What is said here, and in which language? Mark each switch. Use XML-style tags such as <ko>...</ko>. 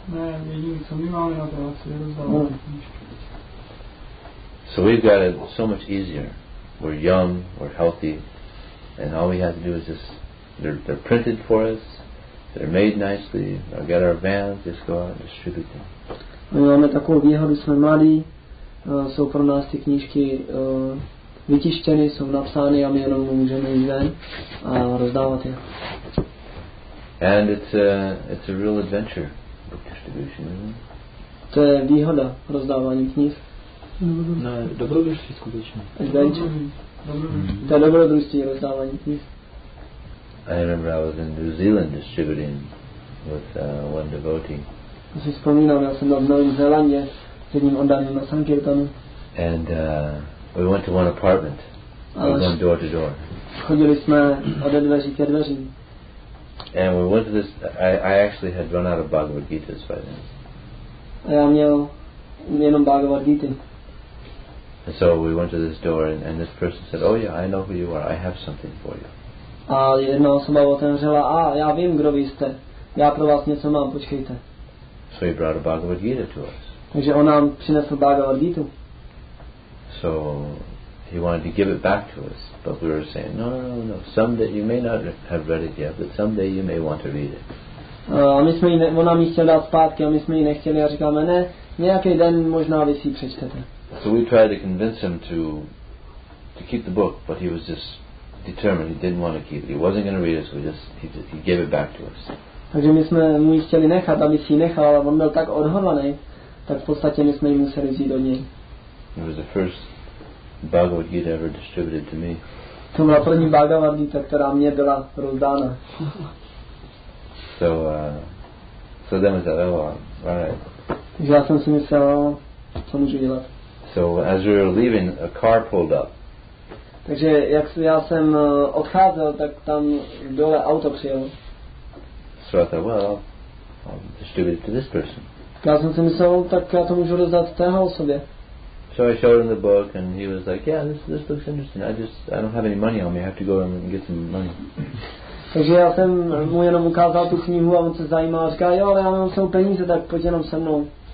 <cs>Ne, jediné, co my máme na to, je rozdávat.</cs> <en>So we've got it so much easier. We're young, we're healthy, and all we have to do is just, they're printed for us, they're made nicely, I'll get our vans, just go out and distribute them.</en> <cs>My máme takovou výhodu, jsme mladí, jsou pro nás ty knížky vytištěny, jsou napsány a my jenom můžeme jít ven a rozdávat je.</cs> <en>And it's a real adventure, book distribution, isn't it?</en> <cs>To je výhoda rozdávání knih. Ne, dobrodružství skutečně. Adventure. To je dobrodružství rozdávání knih.</cs> <en>I remember I was in New Zealand distributing with one devotee.</en> <cs>Si vzpomínám, já jsem byl v Novém Zélandě s jedním oddaným na sankirtanu.</cs> <en>And we went to one apartment. We went door to door.</en> <cs>Chodili jsme od dveří ke dveří.</cs> <en>And we went to this. I actually had run out of Bhagavad Gita by then.</en> <cs>Já měl jenom Bhagavad Gita.</cs> <en>And so we went to this door, and this person said, "Oh yeah, I know who you are. I have something for you."</en> <cs>A jedna osoba otevřela, a já vím, kdo vy jste. Já pro vás něco mám, počkejte.</cs> <en>So he brought a Bhagavad Gita to us.</en> <cs>Takže on nám přinesl Bhagavad Gita.</cs> <en>So he wanted to give it back to us, but we were saying, no. Someday you may not have read it yet, but someday you may want to read it.</en> <cs>A my jsme on nám ji chtěl dát zpátky, a my jsme ji nechtěli a říkáme, ne, nějaký den možná vy si přečtete.</cs> <en>So we tried to convince him to keep the book, but he was just determined, he didn't want to keep it. He wasn't going to read it, so he gave it back to us.</en> <cs>Takže my jsme mu ji chtěli nechat, aby si ji nechal, ale on byl tak odhodlaný, tak v podstatě my jsme ji museli vzít od něj.</cs> <en>It was the first Bhagavad Gita ever distributed to me.</en> <cs>To byla první Bhagavad Gita, která mě byla rozdána.</cs> <en>So then I said, oh, alright.</en> <cs>Takže já jsem si myslel, co můžu dělat.</cs> <en>So as we were leaving, a car pulled up.</en> <cs>Takže jak já jsem odcházel, tak tam dole auto přijel.</cs> <en>So I thought, well, I'll distribute it to this person.</en> <cs>Já jsem si myslel, tak já to můžu rozdat téhle osobě.</cs> <en>So I showed him the book, and he was like, yeah, this looks interesting. I don't have any money on me. I have to go and get some money.</en> <cs>Takže já jsem mu jenom ukázal tu knihu a on se zajímal a říkal, jo, ale já mám svou peníze, tak pojď jenom se mnou.</cs>